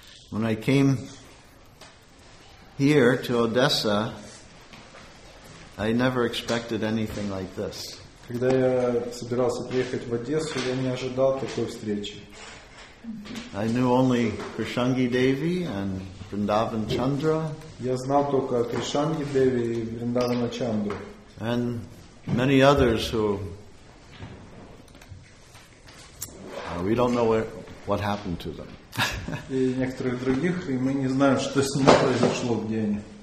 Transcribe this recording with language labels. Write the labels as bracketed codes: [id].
[en] When I came here to Odessa, I never expected anything like this. [ru] Когда я собирался приехать в Одессу, я не ожидал такой встречи. [en] I knew only Krishangi Devi and Vrindavan Chandra. [ru] Я знал только Кришанги Деви и Вриндавана Чандру. [en] And many others who we don't know what happened to them. [ru] И некоторых других, и мы не знаем, что с ними произошло, где они.